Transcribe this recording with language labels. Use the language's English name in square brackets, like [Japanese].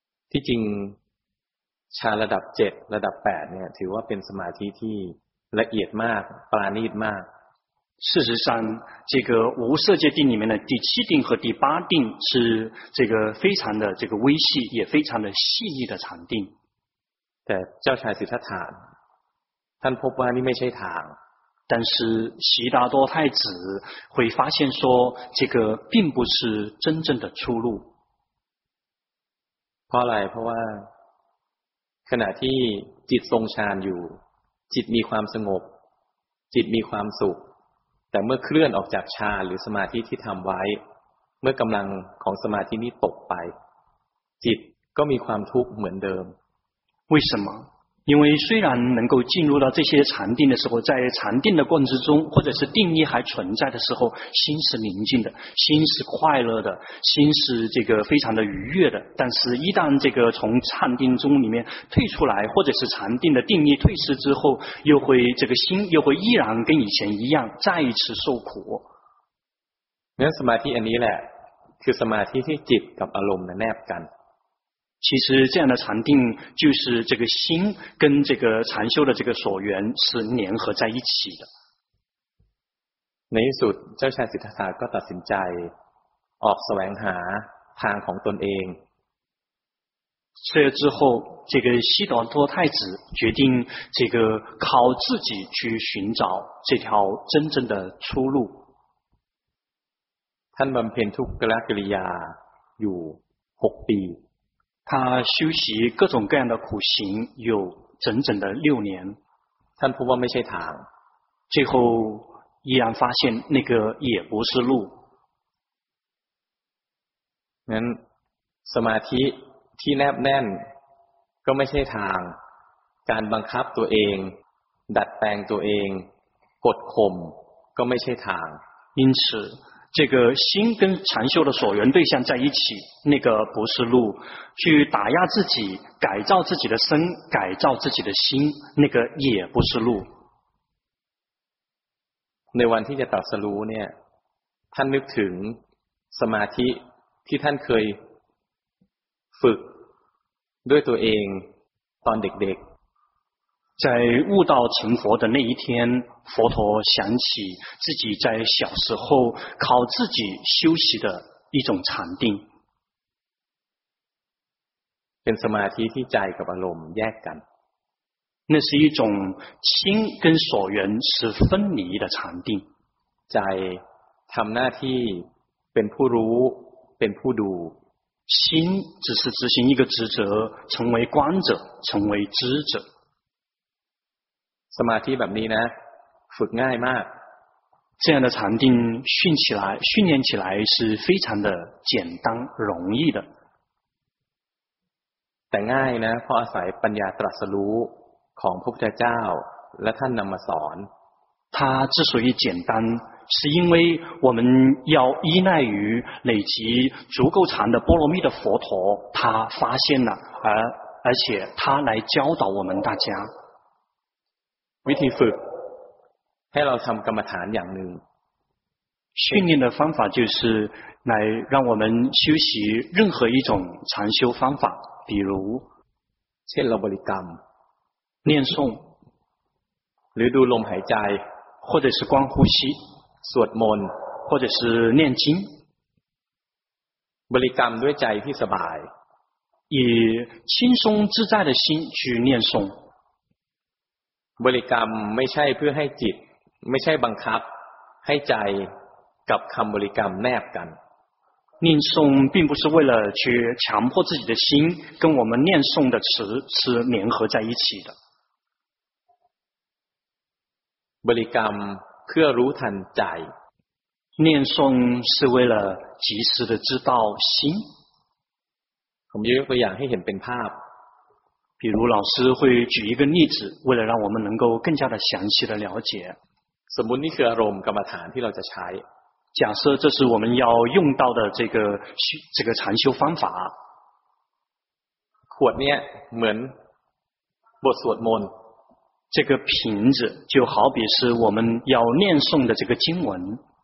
[Thai] ที่จริงฌานระดับ7ระดับ8เนี่ยถือว่าเป็นสมาธิที่ละเอียดมากปราณีตมาก [Chinese] 事实上这个无色界定里面的第七定和第八定是这个非常的这个微细也非常的细腻的禅定 [Thai] แต่เจ้าชายสิทธัตถะท่านพบว่านี่ไม่ใช่ทาง [Chinese] 但是悉达多太子会发现说这个并不是真正的出路 [Thai] เพราะอะไรเพราะว่าขณะที่จิตทรงฌานอยู่จิตมีความสงบจิตมีความสุขแต่เมื่อเคลื่อนออกจากฌานหรือสมาธิที่ทำไว้เมื่อกำลังของสมาธินี้ตกไปจิตก็มีความทุกข์เหมือนเดิม [Chinese] 为什么因为虽然能够进入到这些禅定的时候在禅定的过程之中或者是定义还存在的时候心是宁静的心是快乐的心是这个非常的愉悦的但是一旦这个从禅定中里面退出来或者是禅定的定义退失之后又会这个心又会依然跟以前一样再一次受苦 [Thai] 那สมาธิอันนี้แหละคือสมาธิที่จิตกับอารมณ์แนบกัน [Chinese] 其实这样的禅定就是这个心跟这个禅修的这个所缘是联合在一起的 [Thai] ในที่สุดเจ้าชายสิทธัตถะก็ตัดสินใจออกแสวงหาทางของตนเอง [Chinese] 这之后这个悉达多太子决定这个靠自己去寻找这条真正的出路 [Thai] ท่านบำเพ็ญทุกขกิริยาอยู่6ปี [Chinese] 他修习各种各样的苦行有整整的六年 [Thai] ท่านพบว่าไม่ใช่ทาง [Chinese] 最后依然发现那个也不是路 [Thai] งั้นสมาธิที่แนบแน่นก็ไม่ใช่ทางการบังคับตัวเองดัดแปลงตัวเองกดข่มก็ไม่ใช่ทาง [Chinese] 因此这个心跟禅修的所缘对象在一起那个不是路去打压自己改造自己的身改造自己的心那个也不是路 [Thai] ในวันที่จะตรัสรู้เนี่ยท่านนึกถึงสมาธิที่ท่านเคยฝึกด้วยตัวเองตอนเด็กๆ [Chinese] 在悟道成佛的那一天佛陀想起自己在小时候靠自己修习的一种禅定 [Thai] เป็นสมาธิที่ใจกับอารมณ์แยกกัน [Chinese] 那是一种心跟所缘是分离的禅定 [Thai] ใจทำหน้าที่เป็นผู้รู้เป็นผู้ดู [Chinese] 心只是执行一个职责成为观者成为知者 [Thai] สมาธิแบบนี้นะฝึกง่ายมาก [Chinese] 这样的禅定训起来训练起来是非常的简单容易的 [Thai] แต่ง่ายนะเพราะอาศัยปัญญาตรัสรู้ของพระพุทธเจ้าและท่านนำมาสอน [Chinese] 它之所以简单是因为我们要依赖于累积足够长的波罗蜜的佛陀他发现了而且他来教导我们大家 [Thai] วิธีฝึกให้เราทำกรรมฐานอย่างหนึ่ง [Chinese] 训练的方法就是来让我们修习任何一种禅修方法比如 [Thai] เช่นเราบริกรรม [Chinese] 念诵 [Thai] หรือดูลมหายใจ [Chinese] 或者是观呼吸 [Thai] สวดมนต์ [Chinese] 或者是念经 [Thai] บริกรรมด้วยใจที่สบาย [Chinese] 以轻松自在的心去念诵 [Thai] บริกรรมไม่ใช่เพื่อให้จิตไม่ใช่บังคับให้ใจกับคำบริกรรมแนบกัน [Chinese] 念诵并不是为了去强迫自己的心跟我们念诵的词是联合在一起的 [Thai] บริกรรมเพื่อรู้ทันใจ [Chinese] 念诵是为了及时的知道心 [Thai] ผมยกตัวอย่างให้เห็นเป็นภาพ [Chinese] 比如老师会举一个例子为了让我们能够更加的详细的了解 [Thai] สมมุตินี่คืออารมณ์กรรมฐานที่เราจะใช้ [Chinese] 假设这是我们要用到的这个禅修方法 [Thai] ขวดเนี่ยเหมือนบทสวดมนต์ [Chinese] 这个瓶子就好比是我们要念诵的这个经文